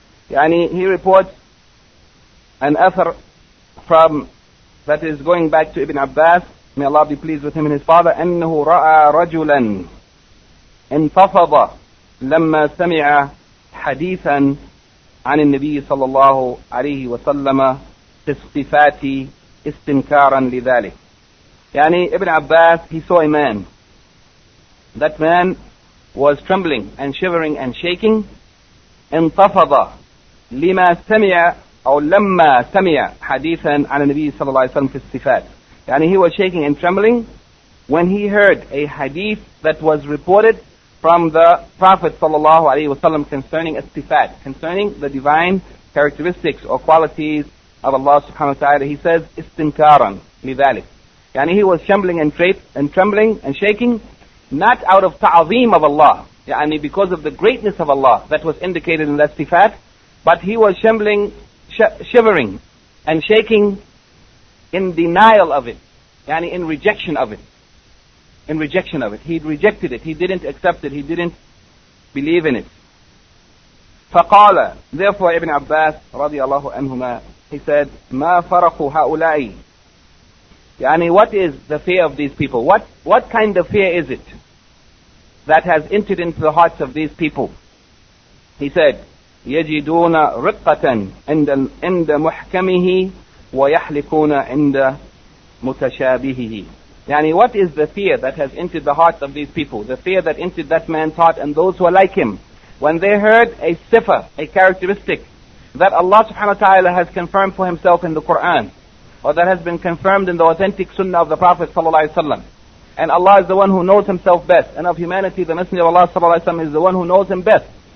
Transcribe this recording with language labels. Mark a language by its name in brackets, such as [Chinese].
[English] Yani, he reports an author from that is going back to Ibn Abbas, may Allah be pleased with him and his father, [Arabic] أَنَّهُ رَأَى رَجُلًا انتفض لما سمع حديثا عن النبي صلى الله عليه وسلم في الصفات استنكارا لذلك. [English] يعني ابن عباس, he saw a man. That man was trembling and shivering and shaking. [Arabic] انتفض لما سمع أو لما سمع حديثا عن النبي صلى الله عليه وسلم في الصفات. [English] يعني he was shaking and trembling when he heard a hadith that was reported from the Prophet sallallahu alayhi wa sallam concerning istifat, concerning the divine characteristics or qualities of Allah subhanahu wa ta'ala. He says, [Arabic] istinkaran lidhalik. [English] Yani he was shambling and trembling and shaking, not out of ta'zeem of Allah, yani because of the greatness of Allah that was indicated in that istifat, but he was shambling, shivering and shaking in denial of it, yani in rejection of it. In rejection of it. He rejected it. He didn't accept it. He didn't believe in it. فَقَالَ Therefore Ibn Abbas رضي الله عنهما, he said, [Arabic] مَا فَرَقُ هَؤُلَاءِ [English] يعني, what is the fear of these people? What kind of fear is it that has entered into the hearts of these people? He said, [Arabic] يَجِدُونَ رِقَّةً عِنْدَ مُحْكَمِهِ وَيَحْلِكُونَ عِنْدَ مُتَشَابِهِهِ. [English] Yani, what is the fear that has entered the hearts of these people? The fear that entered that man's heart and those who are like him. When they heard a sifa, a characteristic, that Allah subhanahu wa ta'ala has confirmed for himself in the Qur'an, or that has been confirmed in the authentic sunnah of the Prophet sallallahu alayhi wa sallam, and Allah is the one who knows himself best, and of humanity the Messenger of Allah sallallahu alayhi wa sallam is the one who knows him best.